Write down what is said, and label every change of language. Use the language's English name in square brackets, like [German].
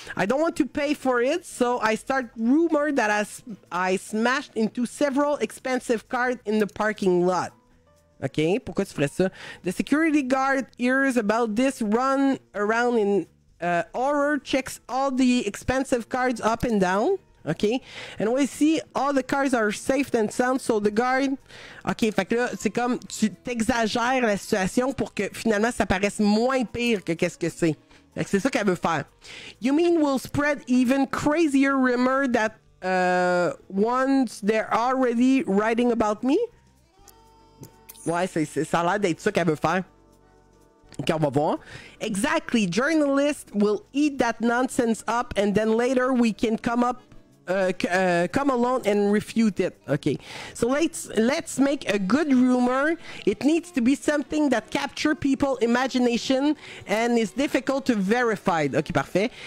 [English] I don't want to pay for it, so I start rumor that I smashed into several expensive cars in the parking lot. Okay? [French] Pourquoi tu ferais ça? [English] The security guard hears about this, run around in... horror, checks all the expensive cards up and down, okay? And we see all the cards are safe and sound, so the guard... [French] Okay, fait que là, c'est comme tu t'exagères la situation pour que finalement ça paraisse moins pire que qu'est-ce que c'est. Fait que c'est ça qu'elle veut faire. [English] You mean we'll spread even crazier rumor that ones they're already writing about me? [French] Ouais, c'est, ça a l'air d'être ça qu'elle veut faire. Okay, on va voir. [English] Exactly. Journalists will eat that nonsense up, and then later we can come up, come alone and refute it. Okay. So let's make a good rumor. It needs to be something that captures people's imagination and is difficult to verify. [French] Okay, parfait.